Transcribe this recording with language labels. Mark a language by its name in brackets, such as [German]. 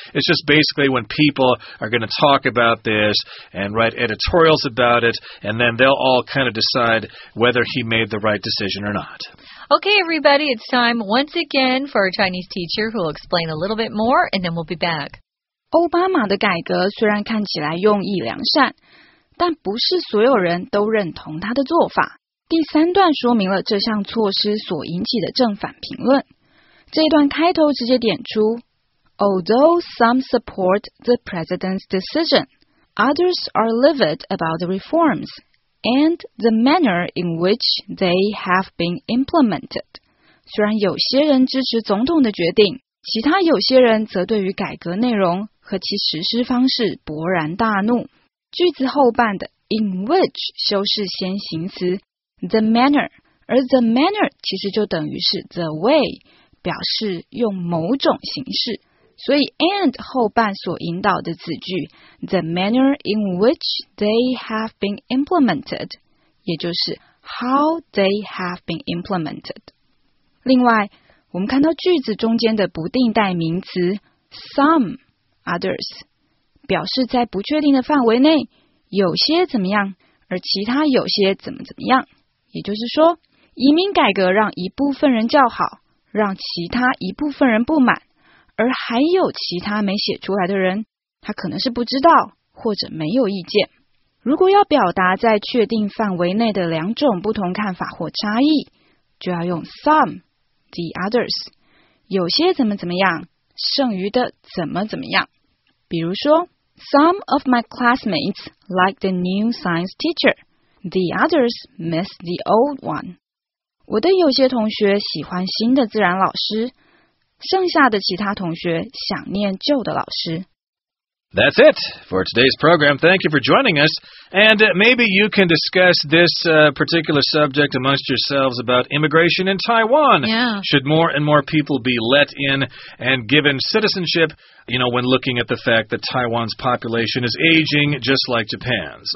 [English] It's just basically when people are going to talk about this and write editorials about it, and then they'll all kind of decide whether he made the right decision or not. Okay, everybody, it's time once again for our Chinese teacher who will explain a little bit more, and then we'll be back. [Chinese] 奥巴马的改革虽然看起来用意良善，但不是所有人都认同他的做法。第三段说明了这项措施所引起的正反评论。这一段开头直接点出 [English] ，Although some support the president's decision, others are livid about the reforms and the manner in which they have been implemented。 [Chinese] 虽然有些人支持总统的决定，其他有些人则对于改革内容和其实施方式勃然大怒。句子后半的 in which 修饰先行词 the manner， 而 the manner 其实就等于是 the way， 表示用某种形式。所以 and 后半所引导的子句 [English] the manner in which they have been implemented， [Chinese] 也就是 [English] how they have been implemented。 [Chinese] 另外我们看到句子中间的不定代名词 someOthers 表示在不确定的范围内，有些怎么样，而其他有些怎么怎么样。也就是说，移民改革让一部分人叫好，让其他一部分人不满，而还有其他没写出来的人，他可能是不知道或者没有意见。如果要表达在确定范围内的两种不同看法或差异，就要用 some, the others, 有些怎么怎么样。剩余的怎么怎么样？比如说 [English] ，Some of my classmates like the new science teacher. The others miss the old one. [Chinese] 我的有些同学喜欢新的自然老师，剩下的其他同学想念旧的老师。 [English] That's it for today's program. Thank you for joining us. And maybe you can discuss this particular subject amongst yourselves about immigration in Taiwan. Yeah. Should more and more people be let in and given citizenship, you know, when looking at the fact that Taiwan's population is aging just like Japan's.